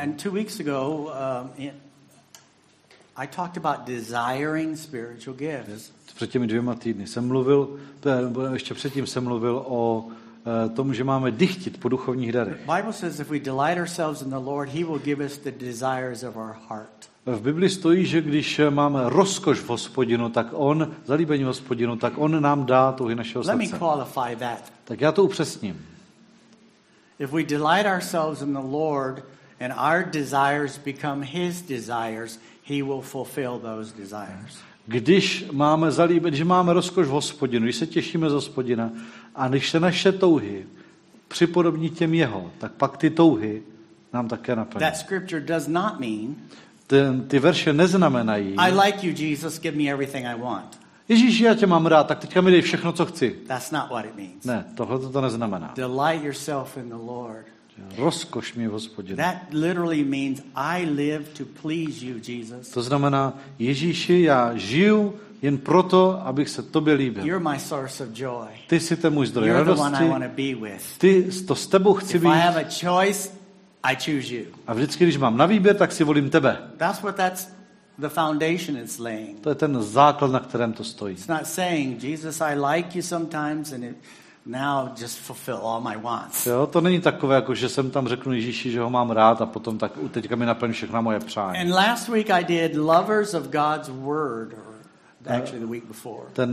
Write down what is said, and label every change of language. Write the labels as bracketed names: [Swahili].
[English] And 2 weeks ago, I talked about desiring spiritual gifts. [Czech] Před těmi dvěma týdny jsem mluvil, ještě předtím jsem mluvil o tom, že máme dychtit po duchovních darech. [English] Bible says if we delight ourselves in the Lord, he will give us the desires of our heart. [Czech] V Bibli stojí, že když máme rozkoš v Hospodinu, tak on, zalíbení v Hospodinu, tak on nám dá touhy našeho srdce. [English] Let me qualify that. [Czech] Tak já to upřesním. [English] If we delight ourselves in the Lord and our desires become his desires, he will fulfill those desires. [Czech] Když máme zalíbení, že máme rozkoš v Hospodinu, když se těšíme z Hospodina, a když se naše touhy připodobní těm jeho, tak pak ty touhy nám také naplní. [English] That scripture does not mean, [Czech] ty verše neznamenají, [English] I like you, Jesus, give me everything I want. [Czech] Ježíši, já tě mám rád, tak teďka mi dej všechno, co chci. [English] That's not what it means. [Czech] Ne, tohle to neznamená. [English] Delight yourself in the Lord. [Czech] Rozkoš mě v Hospodinu. [English] That literally means I live to please you, Jesus. [Czech] To znamená, Ježíši, já žiju jen proto, abych se tobě líbil. [English] You're my source of joy. [Czech] Ty jsi ten můj zdroj [English] You're [Czech] radosti. [English] The one I want to be with. [Czech] Ty, to s tebou chci [English] If [Czech] být. [English] I have a choice, I choose you. [Czech] A vždycky, když mám na výběr, tak si volím tebe. [English] That's what that's the foundation it's laying. [Czech] To je ten základ, na kterém to stojí. [English] It's not saying, Jesus, I like you sometimes and it... Now just fulfill all my wants. [Czech] Jo, to není takové, jako že jsem tam řeknu Ježíši, že ho mám rád a potom tak teďka mi naplní všechna moje přání. [English] And last week I did lovers of God's word, or actually the week before.